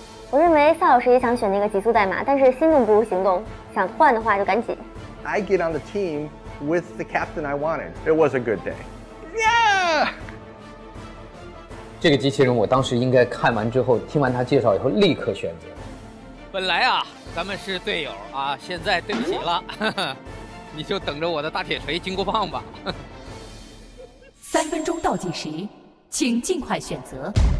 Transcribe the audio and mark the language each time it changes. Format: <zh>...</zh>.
<zh>我认为萨老师也想选那个极速代码，但是心动不如行动，想换的话就赶紧。</zh> <en>I get on the team with the captain I wanted. It was a good day. Yeah.</en> <zh>这个机器人我当时应该看完之后，听完他介绍以后立刻选择。本来啊，咱们是队友啊，现在对不起了，你就等着我的大铁锤金箍棒吧。 3分钟倒计时，请尽快选择。</zh>